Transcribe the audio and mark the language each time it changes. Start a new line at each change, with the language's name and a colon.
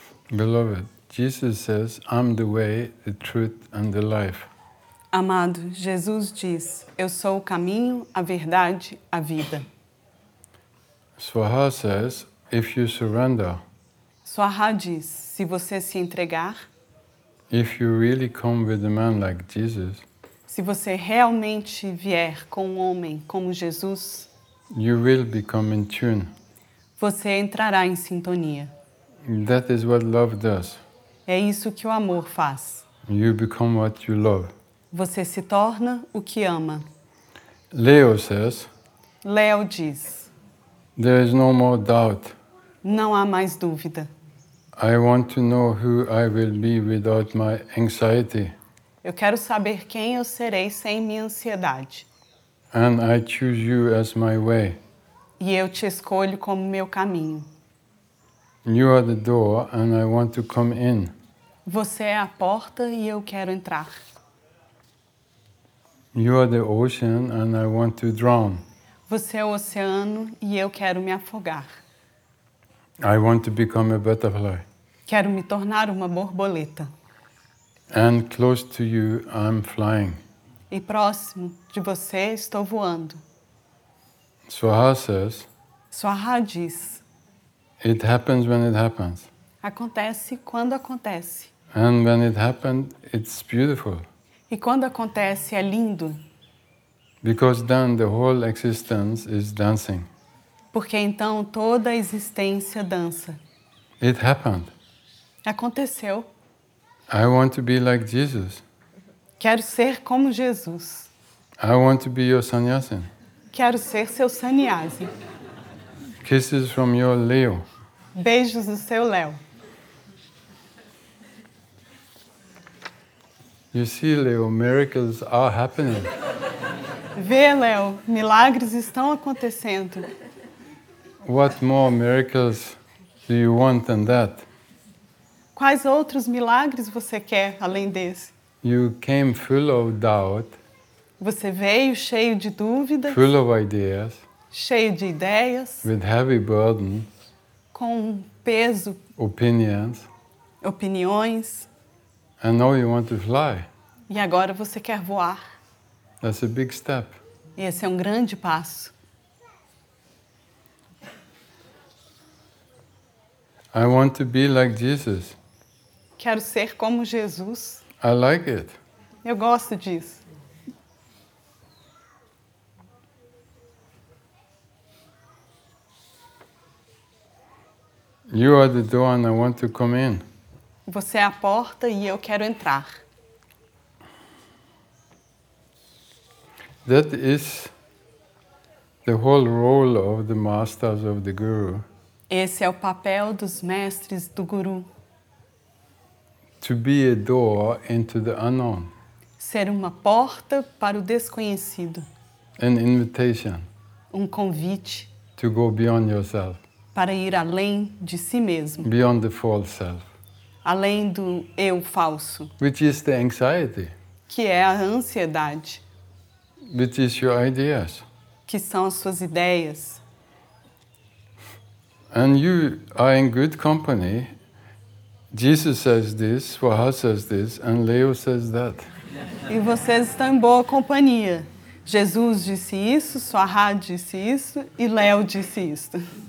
English: Beloved, Jesus says, I'm the way, the truth, and the life.
Portuguese: Amado, Jesus diz, eu sou o caminho, a verdade, a vida.
English: Swaha says, if you surrender.
Portuguese: Swaha diz, se você se entregar.
English: If you really come with a man like Jesus.
Portuguese: Se você realmente vier com um homem como Jesus.
English: You will become in tune.
Portuguese: Você entrará em sintonia.
English: That is what love does.
Portuguese: É isso que o amor faz.
English: You become what you love.
Portuguese: Você se torna o que ama.
English: Leo says.
Portuguese: Leo diz.
English: There is no more doubt.
Portuguese: Não há mais dúvida.
English: I want to know who I will be without my anxiety.
Portuguese: Eu quero saber quem eu serei sem minha ansiedade.
English: And I choose you as my way.
Portuguese: E eu te escolho como meu caminho.
English: You are the door and I want to come in.
Portuguese: Você é a porta e eu quero entrar.
English: You are the ocean and I want to drown.
Portuguese: Você é o oceano e eu quero me afogar.
English: I want to become a butterfly.
Portuguese: Quero me tornar uma borboleta.
English: And close to you I'm flying.
Portuguese: E próximo de você estou voando.
English: Swaha says.
Portuguese: Swaha diz.
English: It happens when it happens.
Portuguese: Acontece quando acontece.
English: And when it happened, it's beautiful.
Portuguese: E quando acontece, é lindo.
English: Because then the whole existence is dancing.
Portuguese: Porque então toda a existência dança.
English: It happened.
Portuguese: Aconteceu.
English: I want to be like Jesus.
Portuguese: Quero ser como Jesus.
English: I want to be your sannyasin.
Portuguese: Quero ser seu sannyasi.
English: Kisses from your Leo.
Portuguese: Beijos do seu Leo.
English: You see, Leo, miracles are happening.
Portuguese: Vê, Leo, milagres estão acontecendo.
English: What more miracles do you want than that?
Portuguese: Quais outros milagres você quer além desse?
English: You came full of doubt.
Portuguese: Você veio cheio de dúvidas.
English: Full of ideas.
Portuguese: Cheio de ideias.
English: With heavy burden.
Portuguese: Com um peso.
English: Opinions.
Portuguese: Opiniões.
English: And now you want to fly.
Portuguese: E agora você quer voar.
English: That's a big step.
Portuguese: Esse é um grande passo.
English: I want to be like Jesus.
Portuguese: Quero ser como Jesus.
English: I like it.
Portuguese: Eu gosto disso.
English: You are the door and I want to come in.
Portuguese: Você é a porta e eu quero entrar.
English: That is the whole role of the masters of the guru.
Portuguese: Esse é o papel dos mestres do guru.
English: To be a door into the unknown.
Portuguese: Ser uma porta para o desconhecido.
English: An invitation.
Portuguese: Um convite.
English: To go beyond yourself.
Portuguese: Para ir além de si mesmo.
English: Beyond the false self.
Portuguese: Além do eu falso.
English: Which is the anxiety.
Portuguese: Que é a ansiedade.
English: Which is your ideas.
Portuguese: Que são as suas ideias.
English: And you are in good company. Jesus says this, Swaha says this, and Leo says that.
Portuguese: E vocês estão em boa companhia. Jesus disse isso, Swaha disse isso, e Leo disse isto.